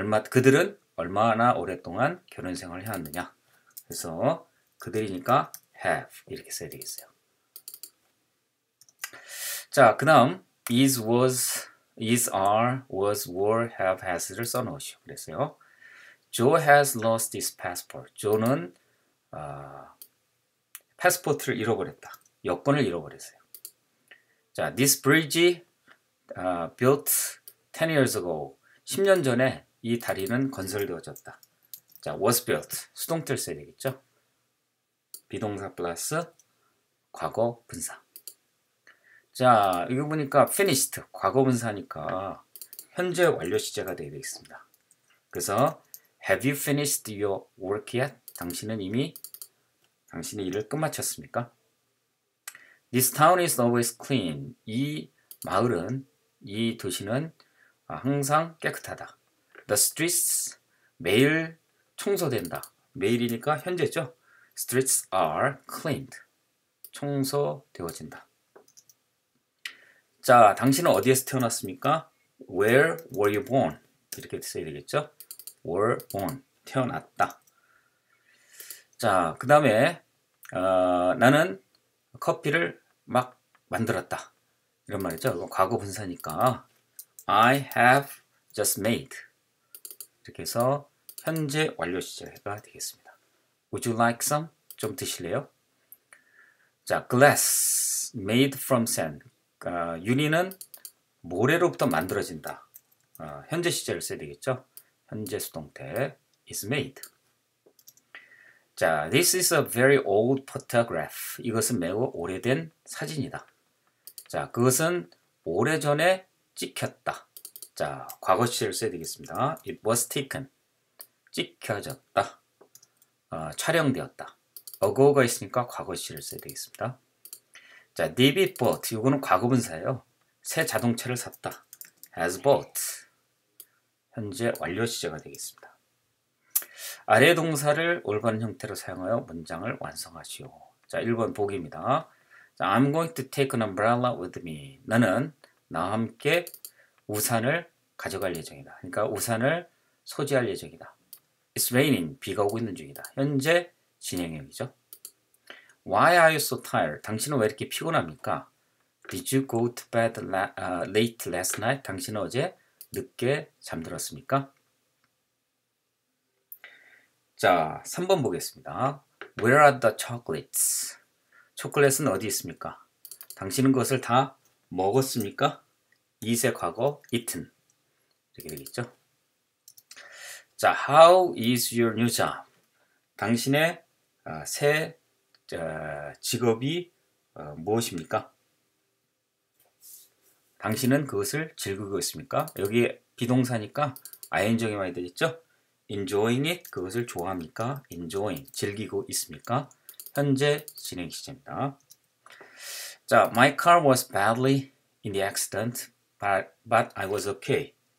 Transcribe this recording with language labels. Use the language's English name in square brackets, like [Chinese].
[Korean] 그들은 얼마나 오랫동안 결혼 생활을 해왔느냐. 그래서 그들이니까 have 이렇게 써야 되겠어요. 자, 그 다음 is, was, is, are, was, were, have, has를 써놓으시오. 그랬어요. [English] Joe has lost his passport. [Korean] Joe는 패스포트를 잃어버렸다. 여권을 잃어버렸어요. [English] 자, this bridge built 10 years ago. [Korean] 10년 전에 이 다리는 건설되어졌다. 자, [English] was built. [Korean] 수동태를 써야 되겠죠? 비동사 플러스 과거 분사. 자, 이거 보니까 finished. 과거 분사니까 현재 완료 시제가 되어 있습니다. 그래서 [English] have you finished your work yet? [Korean] 당신은 이미 당신의 일을 끝마쳤습니까? [English] This town is always clean. [Korean] 이 마을은, 이 도시는 항상 깨끗하다. [English] The streets [Korean] 매일 청소된다. 매일이니까 현재죠. [English] Streets are cleaned. [Korean] 청소되어진다. 자, 당신은 어디에서 태어났습니까? [English] Where were you born? [Korean] 이렇게 써야 되겠죠. [English] Were born. [Korean] 태어났다. 자, 그 다음에 나는 커피를 막 만들었다. 이런 말이죠. 과거 분사니까 [English] I have just made. [Korean] 이렇게 해서 현재 완료 시제가 되겠습니다. [English] Would you like some? [Korean] 좀 드실래요? [English] 자, glass made from sand. [Korean] 유리는 모래로부터 만들어진다. 현재 시제를 써야 되겠죠. 현재 수동태 [English] is made. 자, this is a very old photograph. [Korean] 이것은 매우 오래된 사진이다. 자, 그것은 오래전에 찍혔다. 자, 과거 시제를 써야 되겠습니다. [English] It was taken. [Korean] 찍혀졌다. 촬영되었다. ago가 있으니까 과거 시제를 써야 되겠습니다. 자, [English] David bought. [Korean] 이거는 과거 분사예요. 새 자동차를 샀다. [English] has bought. [Korean] 현재 완료 시제가 되겠습니다. 아래 동사를 올바른 형태로 사용하여 문장을 완성하시오. 자, 1번 보기입니다. [English] 자, I'm going to take an umbrella with me. [Korean] 나는 나와 함께 우산을 가져갈 예정이다. 그러니까 우산을 소지할 예정이다. [English] It's raining. [Korean] 비가 오고 있는 중이다. 현재 진행형이죠. [English] Why are you so tired? [Korean] 당신은 왜 이렇게 피곤합니까? [English] Did you go to bed late last night? [Korean] 당신은 어제 늦게 잠들었습니까? 자, 3번 보겠습니다. [English] Where are the chocolates? [Korean] 초콜릿은 어디 있습니까? 당신은 그것을 다 먹었습니까? 이세 과거, [English] eaten. [Korean] 이렇게 되겠죠? [English] 자, how is your new job? [Korean] 당신의 새 직업이 무엇입니까? 당신은 그것을 즐기고 있습니까? 여기 비동사니까 ing이 많이 되겠죠? [English] enjoying it, [Korean] 그것을 좋아합니까? enjoying, 즐기고 있습니까? 현재 진행 시제입니다. [English] 자, my car was badly in the accident, but I was okay.